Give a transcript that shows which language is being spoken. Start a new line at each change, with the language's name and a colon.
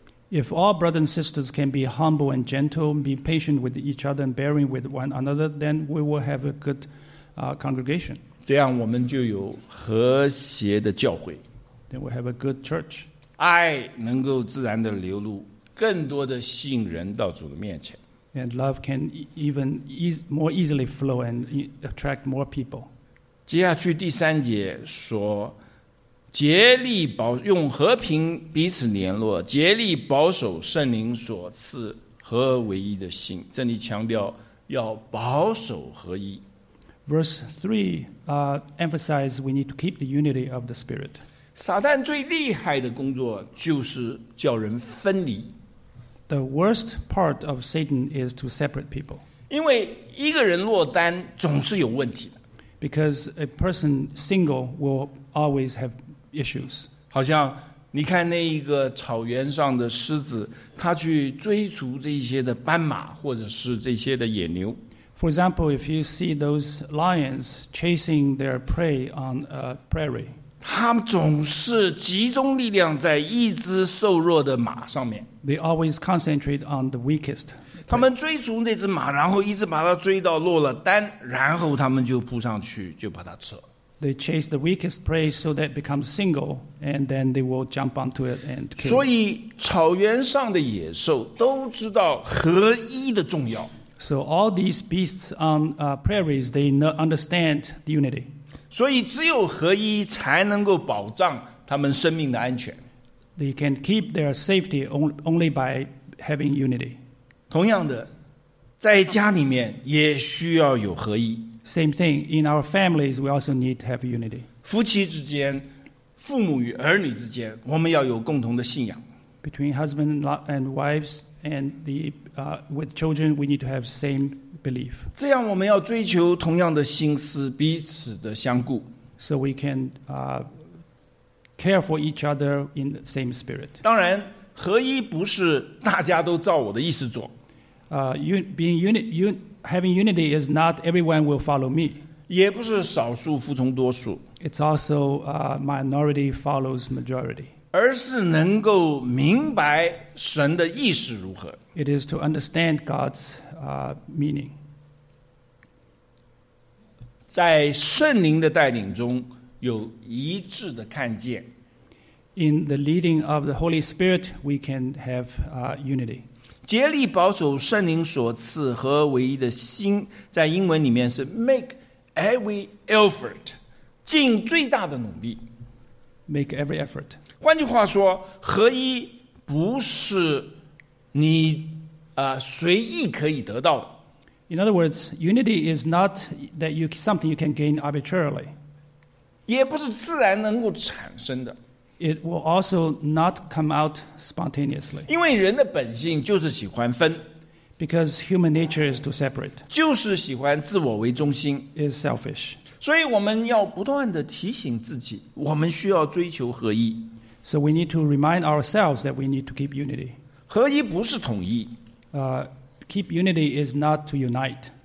English: If all brothers and sisters can be humble and gentle, be patient with each other and bearing with one another, then we will have a good congregation.
Chinese: 这样我们就有和谐的教会。
English: Then we have a good church.
Chinese: 爱能够自然的流露，更多的吸引人到主的面前。
English: And love can even more easily flow and attract more people.
Chinese: 接下去第三节说，竭力保用和平彼此联络，竭力保守圣灵所赐合为一的心。这里强调要保守合一。
English: Verse 3 emphasizes we need to keep the unity of the Spirit.
Chinese: 撒旦最厉害的工作就是叫人分离。
English: The worst part of Satan is to separate people.
Chinese: 因为一个人落单总是有问题的。
English: Because a person single will always have issues.
Chinese: 好像你看那一个草原上的狮子，它去追逐这些的斑马或者是这些的野牛。
English: For example, if you see those lions chasing their prey on a prairie,
Chinese: 他们总是集中力量在一只瘦弱的马上面。
English: They always concentrate on the weakest.
Chinese: 他们追逐那只马，然后一直把它追到落了单，然后他们就扑上去就把它吃了。
English: They chase the weakest prey so that it becomes single, and then they will jump onto it and kill.
Chinese: 所以草原上的野兽都知道合一的重要。
English: So all these beasts on prairies, they understand the unity.
Chinese: 所以只有合一才能够保障他们生命的安全。
English: They can keep their safety only by having unity.
Chinese: 同样的，在家里面也需要有合一。
English: Same thing, in our families, we also need to have unity.
Chinese: 夫妻之间，父母与儿女之间，我们要有共同的信仰。
English: Between husband and wives and with children, we need to have same belief.
Chinese: 这样我们要追求同样的心思，彼此的相顾。
English: So we can care for each other in the same spirit.
Chinese: 当然，合一不是大家都照我的意思做。
English: Having unity is not everyone will follow me.
Chinese: 也不是少数服从多数。
English: It's also a minority follows majority.
Chinese: 而是能够明白神的意思如何。
English: It is to understand God's meaning.
Chinese: 在圣灵的带领中有一致的看见。
English: In the leading of the Holy Spirit, we can have unity.
Chinese: 竭力保守圣灵所赐和唯一的心，在英文里面是
English: make every effort，
Chinese: 尽最大的努力。
English: Make every effort。
Chinese: 换句话说，合一不是你随意可以得到的。
English: In other words, unity is not that you something you can gain arbitrarily。
Chinese: 也不是自然能够产生的。
English: It will also not come out spontaneously.
Chinese: 因为人的本性就是喜欢分。
English: Because human nature is to separate.
Chinese: 就是喜欢自我为中心。
English: Is selfish.
Chinese: 所以我们要不断地提醒自己，我们需要追求合一。
English: So we need to remind ourselves that we need to keep unity.
Chinese: 合一不是统一。
English: Keep unity is not to unite.